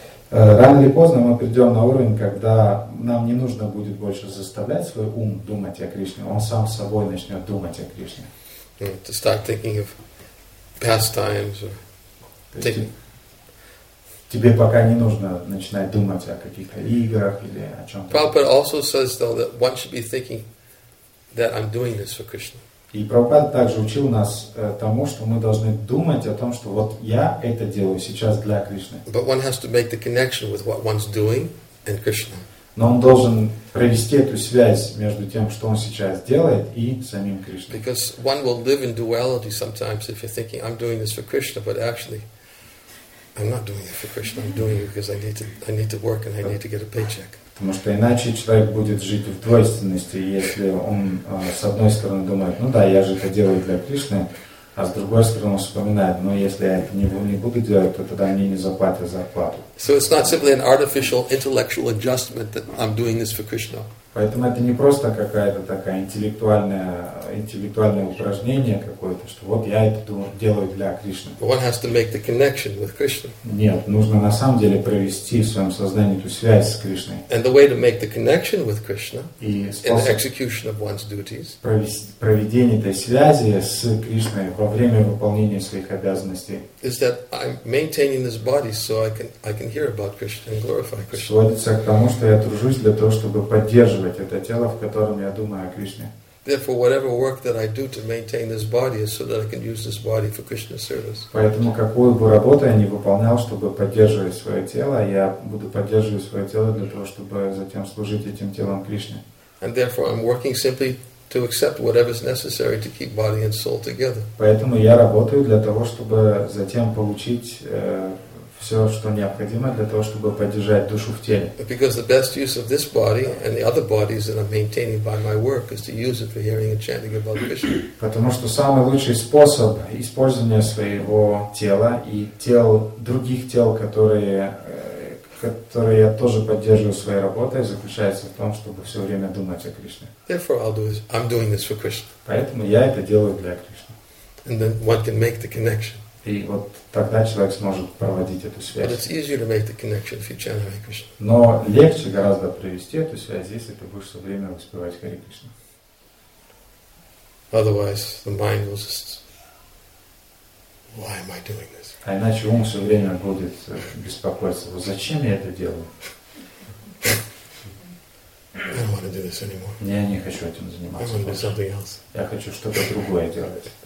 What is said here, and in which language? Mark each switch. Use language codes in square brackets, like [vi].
[ru] Рано или поздно мы придем на уровень, когда нам не нужно будет больше заставлять свой ум думать о Кришне, он сам собой начнет думать о Кришне. [en] To start thinking of pastimes or [ru] тебе пока не нужно начинать думать о каких-то играх или о чем-то. [en] Prabhupada also says though that one should be thinking that I'm doing this for Krishna. [ru] И Прабхупада также учил нас тому, что мы должны думать о том, что вот я это делаю сейчас для Кришны. [en] But one has to make the connection with what one's doing and Krishna. [ru] Но он должен провести эту связь между тем, что он сейчас делает, и самим Кришной. [en] Because one will live in duality sometimes if you're thinking I'm doing this for Krishna, but actually I'm not doing it for Krishna. I'm doing it because I need to work and I need to get a paycheck. [ru] Потому что иначе человек будет жить в двойственности, если он с одной стороны думает, ну да, я же это делаю для Кришны, а с другой стороны он вспоминает, ну если я это не буду делать, то тогда мне не заплатят зарплату. [en] So it's not simply an artificial intellectual adjustment that I'm doing this for Krishna. [ru] Поэтому это не просто какая-то такая интеллектуальное упражнение какое-то, что вот я это делаю для Кришны. [en] One has to make the connection with Krishna. [ru] Нет, нужно на самом деле провести в своем сознании эту связь с Кришной. [en] And the way to make the connection with Krishna in the execution of one's duties. [ru] Проведение этой связи с Кришной во время выполнения своих обязанностей. [en] Is that I'm maintaining this body so I can hear about Krishna and glorify Krishna. [ru] Сводится к тому, что я тружусь для того, чтобы поддерживать это тело, в котором я думаю о Кришне. [en] Therefore, whatever work that I do to maintain this body is so that I can use this body for Krishna's service. [ru] Поэтому какую бы работу я ни выполнял, чтобы поддерживать свое тело, я буду поддерживать свое тело для того, чтобы затем служить этим телом Кришне. [en] And therefore, I'm working simply to accept whatever is necessary to keep body and soul together. [ru] Поэтому я работаю для того, чтобы затем получить все, что необходимо для того, чтобы поддержать душу в теле. [en] Because the best use of this body and the other bodies that I'm maintaining by my work is to use it for hearing and chanting about Krishna. [ru] Потому что самый лучший способ использования своего тела и тел других тел, которые я тоже поддерживаю своей работой, заключается в том, чтобы все время думать о Кришне. [en] Therefore, I'm doing this for Krishna. [ru] Поэтому я это делаю для Кришны. [en] And then one can make the connection. [ru] И вот тогда человек сможет проводить эту связь. [en] But it's easier to make the connection if you chant Hare Krishna. [ru] Но легче гораздо провести эту связь, если ты будешь все время воспевать Хари Кришна. [en] Otherwise, the mind will just why am I doing this? [ru] А иначе ум все время будет беспокоиться. Вот зачем я это делаю? [en] I don't want to do this anymore. [ru] Не, я не хочу этим заниматься. [en] I want to do something else. [ru] Я хочу что-то другое делать.